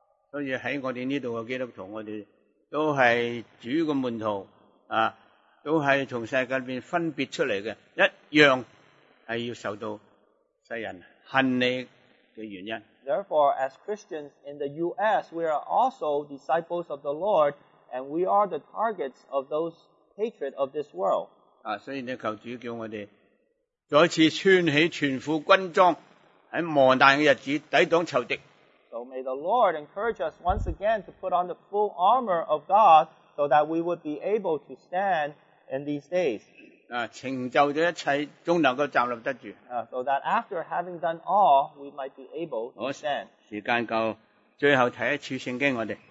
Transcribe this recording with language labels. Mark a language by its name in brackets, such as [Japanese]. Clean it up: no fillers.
[Cantonese] 所以喺我哋呢度嘅基督徒，我哋都系主嘅门徒，啊，都系从世界里边分别出嚟嘅，一样系要受到世人恨你嘅原因。 [English] Therefore, as Christians in the U.S., we are also disciples of the Lord, and we are the targets of those hatred of this world. [Cantonese] 啊，所以呢，求主叫我哋再次穿起全副军装，喺磨难嘅日子抵挡仇敌。 [English] So may the Lord encourage us once again to put on the full armor of God, so that we would be able to stand in these days. [Cantonese] 啊，成就咗一切，终能够站立得住。 [English] So that after having done all, we might be able to stand. [Cantonese] 时间够，最后睇一处圣经我哋。